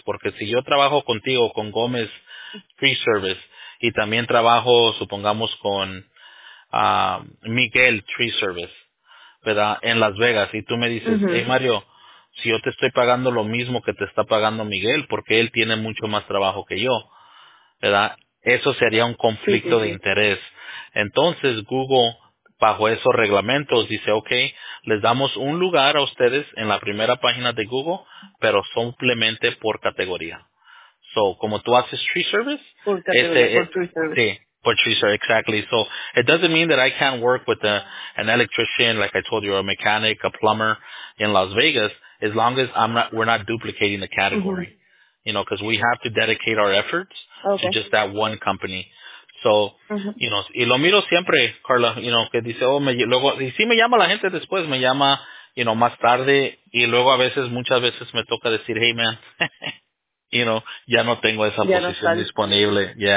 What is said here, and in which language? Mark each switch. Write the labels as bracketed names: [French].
[Spanish] Porque si yo trabajo contigo, con Gómez Tree Service, y también trabajo, supongamos, con Miguel Tree Service, ¿verdad?, en Las Vegas, y tú me dices, hey, Mario, si yo te estoy pagando lo mismo que te está pagando Miguel, porque él tiene mucho más trabajo que yo, ¿verdad? Eso sería un conflicto de interés. Entonces, Google, bajo esos reglamentos, dice, okay, les damos un lugar a ustedes en la primera página de Google, pero simplemente por categoría. So, como tú haces Tree Service, [English] exactly. So, it doesn't mean that I can't work with an electrician, like I told you, a mechanic, a plumber in Las Vegas, as long as we're not duplicating the category. Mm-hmm. Because we have to dedicate our efforts to just that one company. [Spanish] So, y lo miro siempre, Carla, que dice, me llama la gente después, me llama, más tarde, y luego a veces, muchas veces me toca decir, [English] hey, man, [Spanish] ya no tengo esa posición disponible.